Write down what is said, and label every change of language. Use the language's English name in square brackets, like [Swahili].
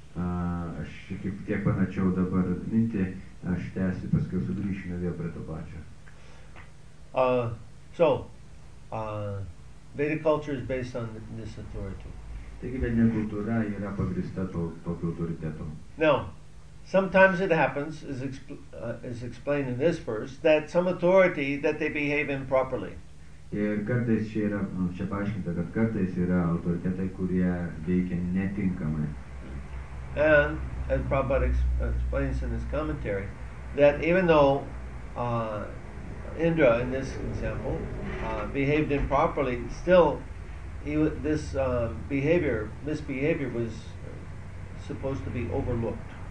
[Lithuanian] Aš kaip tiek panačiau dabar mintį, aš tęsiu, paskui sugrįšime vėl prie to pačio. [English] Vedic culture is based on this authority. [Lithuanian] Taigi vedinė kultūra yra pagrįsta tokiu autoritetu. [English] Now, sometimes it happens, as explained in this verse, that some authority that they behave improperly. [Lithuanian] Ir kartais čia paaiškinta, kad kartais yra autoritetai, kurie veikia netinkamai. [English] And, as Prabhupada explains in his commentary, that even though Indra, in this example, behaved improperly, still this behavior, misbehavior was supposed to be overlooked.